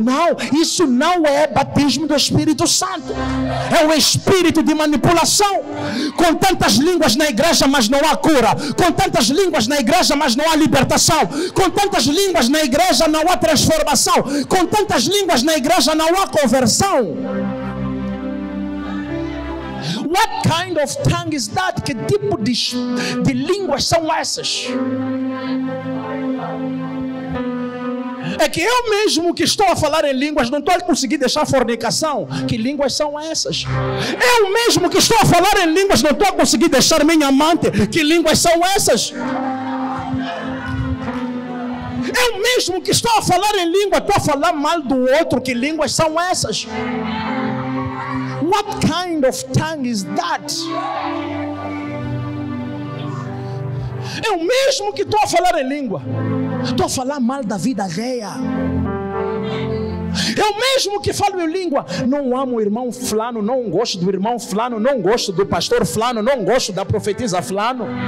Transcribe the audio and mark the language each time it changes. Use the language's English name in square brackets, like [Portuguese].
[Portuguese] Não, isso não é batismo do Espírito Santo, é o espírito de manipulação. Com tantas línguas na igreja, mas não há cura. Com tantas línguas na igreja, mas não há libertação. Com tantas línguas na igreja, não há transformação. Com tantas línguas na igreja, não há conversão. [English] What kind of tongue is that? [Portuguese] Que tipo de línguas são essas? É que eu mesmo que estou a falar em línguas, não estou a conseguir deixar a fornicação. Que línguas são essas? Eu mesmo que estou a falar em línguas, não estou a conseguir deixar minha amante. Que línguas são essas? Eu mesmo que estou a falar em língua, estou a falar mal do outro. Que línguas são essas? [English] What kind of tongue is that? [Portuguese] Eu mesmo que estou a falar em língua, estou a falar mal da vida alheia. Eu mesmo que falo em língua, não amo o irmão fulano, não gosto do irmão fulano, não gosto do pastor fulano, não gosto da profetisa fulano.